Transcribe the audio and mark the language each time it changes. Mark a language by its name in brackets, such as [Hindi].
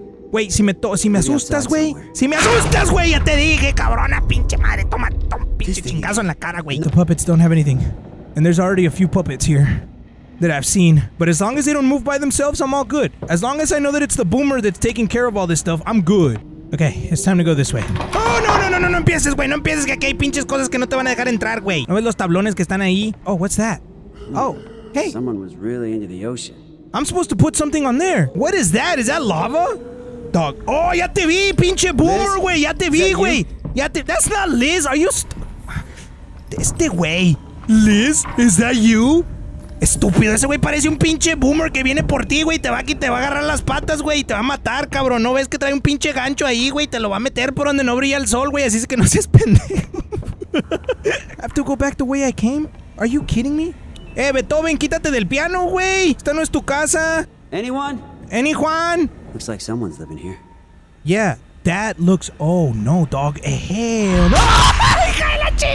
[Spanish] Wait, si me asustas, güey. Si me asustas, güey, ya te dije, cabrona, pinche madre. Toma, toma, pinche chingazo en la cara, güey. [English] The puppets don't have anything. And there's already a few puppets here that I've seen. But as long as they don't move by themselves, I'm all good. As long as I know that it's the boomer that's taking care of all this stuff, I'm good. Okay, it's time to go this way. [Spanish] Oh, no, empieces, güey. No empieces, que aquí hay pinches cosas que no te van a dejar entrar, güey. ¿No ves los tablones que están ahí? [English] Oh, what's that? Oh, hey. Someone was really into the ocean. I'm supposed to put something on there. What is that? Is that lava? [Spanish] Dog. Oh, ya te vi, pinche boomer, güey. Ya te vi, güey. Ya te... [English] That's not Liz. Are you... [Spanish] Este güey. [English] Liz, is that you? [Spanish] Estúpido, ese güey parece un pinche boomer que viene por ti, güey. Te va a agarrar las patas, güey. Y te va a matar, cabrón. ¿No ves que trae un pinche gancho ahí, güey? Te lo va a meter por donde no brilla el sol, güey. Así es que no seas pendejo. [English] I have to go back the way I came? Are you kidding me? [Spanish] Beethoven, quítate del piano, güey. Esta no es tu casa. [English] Anyone? Anyone? Looks like someone's living here. Yeah, that looks... Oh, no, dog. Hell no.